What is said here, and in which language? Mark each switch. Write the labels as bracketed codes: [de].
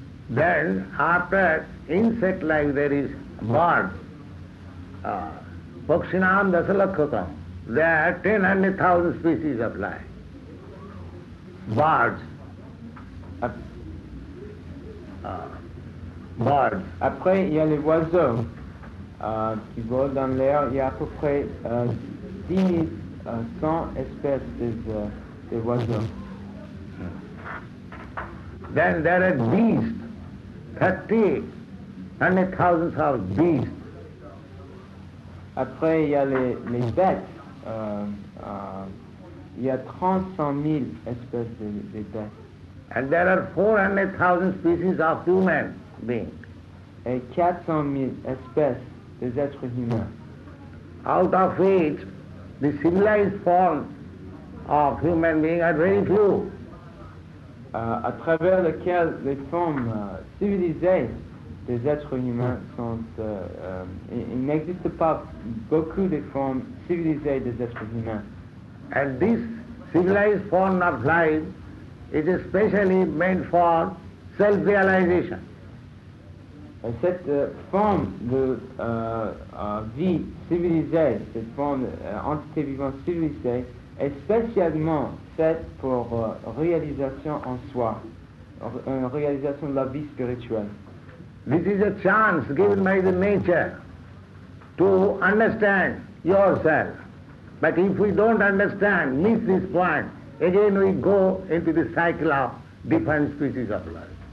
[en] Then after insect life there is bird, [sa] Pakshinam Dasalakhakam, [en] there are 1,000,000 species of life, birds. [fr] Après il y a les oiseaux qui volent dans l'air, il y a à peu près 10,100 espèces des oiseaux. [en] Then there are beasts, 30,000 of beasts. [fr] Après, il y a les bêtes, Il y a 300 000 espèces de bêtes. [en] And there are 400,000 species of human beings. [fr] Et 400 000 espèces des êtres humains. [en] Out of which, the civilized forms of human beings are very few. [fr] À travers lesquelles les formes civilisées des êtres humains sont... il n'existe pas beaucoup de formes civilisées des êtres humains. [en] And this civilized form of life is especially meant for self-realization. [fr] Et cette forme de vie civilisée, cette forme d'entité vivante civilisée, est spécialement faite pour réalisation en soi, une réalisation de la vie spirituelle. [en] This is a chance given by the nature to understand yourself. But if we don't understand, miss this point, again we go into the cycle of different species of life.